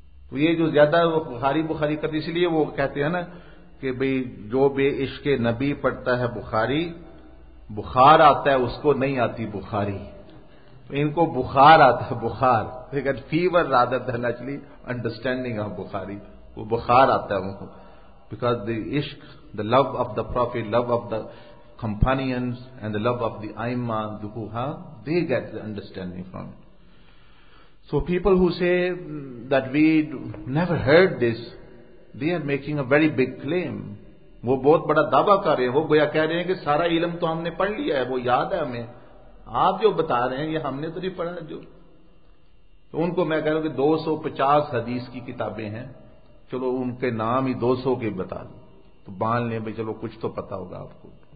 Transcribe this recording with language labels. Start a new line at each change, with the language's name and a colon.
Urdu: تو یہ جو زیادہ وہ بخاری بخاری کرتے، اس لیے وہ کہتے ہیں نا کہ بھئی جو بے عشق نبی پڑھتا ہے بخاری، بخار آتا ہے اس کو نہیں آتی بخاری، ان کو بخار آتا ہے. بخار
English: fever rather than actually understanding of
Urdu: بخاری، وہ بخار آتا ہے ان کو.
English: Because the عشق، the love of the prophet, love of the companions and the love of the آئمہ دوہا، they get the understanding from it. So people who say that we never heard this, they are making a very big claim.
Urdu: وہ بہت بڑا دعویٰ کر رہے ہیں، وہ گویا کہہ رہے ہیں کہ سارا علم تو ہم نے پڑھ لیا ہے، وہ یاد ہے ہمیں. آپ جو بتا رہے ہیں یہ ہم نے تو نہیں پڑھا. جو ان کو میں کہہ رہا ہوں کہ 250 حدیث کی کتابیں ہیں، چلو ان کے نام ہی 200 کے بتا دوں تو باندھ لیں بھائی، چلو کچھ تو پتا ہوگا آپ کو.